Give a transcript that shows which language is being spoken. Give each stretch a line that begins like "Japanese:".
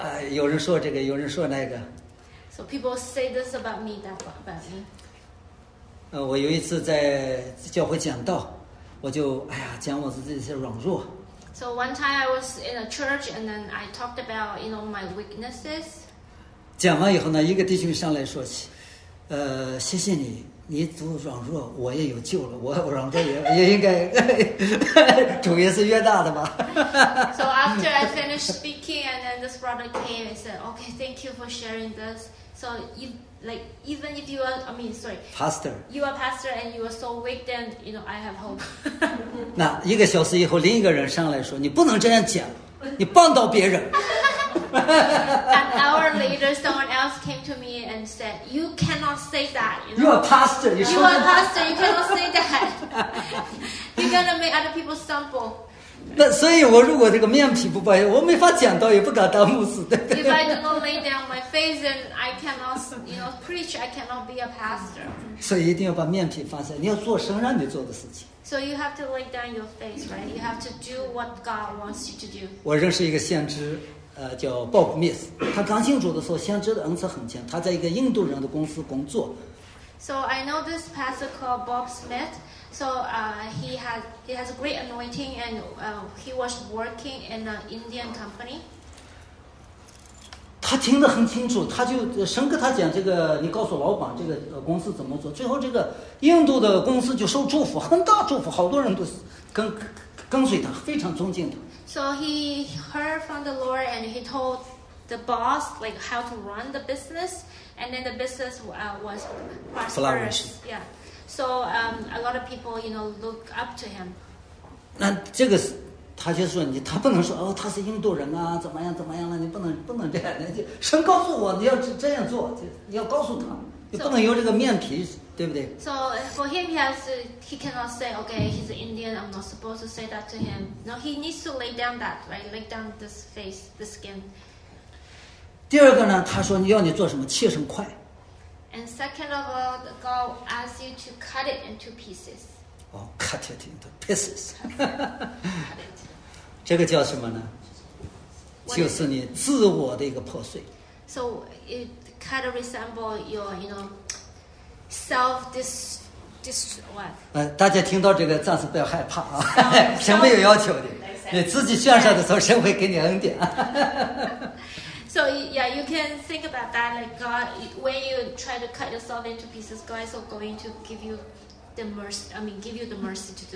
Chinese: 有人说这个，有人说那个。
English: So people say this about me, that about me.
Chinese: 我有一次在教会讲道，我就哎呀讲我自己的软弱。
English: So one time I was in a church and then I talked about you know my weaknesses.
Chinese: 讲完以后呢，一个弟兄上来说起，谢谢你，你读软弱，我也有救了，我软弱也应该，主也是越大的嘛。
English: So after I finished speaking and then this brother came and said, okay, thank you for sharing this. So you, like, even if you are, I mean, sorry. Pastor. You are pastor and you are so weak, then, you know, I have hope.
Chinese: 那一个小时以后，另一个人上来说，你不能这样讲，你绊倒别人。
English: An hour later, someone else came to me and said, you cannot say that. You know? You are pastor. You are pastor. You cannot say that. You're going to make other people stumble.
Chinese: 那所以，我如果这个面皮不保，我没法讲道，也不敢当牧师。对对
English: If I do not lay down my face, then I cannot, you know, preach. I cannot be a pastor.
Chinese: 所以一定要把面皮放下，你要做神让你做的事情。
English: So you have to lay down your face, right? You have to do what God wants you to do.
Chinese: 我认识一个先知，叫 Bob Smith。他刚信主的时候，先知的恩赐很强。他在一个印度人的公司工作。
English: So I know this pastor called Bob Smith. So he has a great anointing and he was working in an Indian company.
Chinese: 他听得很清楚，他就神跟他讲这个，你告诉老板这个公司怎么做。最后这个印度的公司就受祝福，很大祝福，好多人都跟随他，非常尊敬他。
English: So he heard from the Lord and he told the boss like how to run the business, and then the business was prosperous. Yeah. So a lot of people, you know, look up to him.
Chinese: 那这个是，他就说你，他不能说哦，他是印度人啊，怎么样怎么样了？你不能这样，就神告诉我你要这样做，你要告诉他，你不能用这个面皮，
English: so,
Chinese: 对不对
English: ？So for him, he cannot say, okay, he's Indian. I'm not supposed to say that to him. No, he needs to lay down that right, lay down this face, the skin.
Chinese: 第二个呢，他说你要你做什么，切成块。
English: And second of all, God asks you to cut it into pieces. Oh, cut it into pieces. Cut it.
Chinese: 这个叫什么呢？就是你自我的一个破碎。
English: So it kind of resembles your, you know, self-dis what?
Chinese: 大家听到这个暂时不要害怕啊，神没有要求的，你自己献上的时候，神会给你恩典。
English: So yeah, you can think about that. Like God, when you try to cut yourself into pieces, God is going to give you the mercy. I mean, give you the mercy to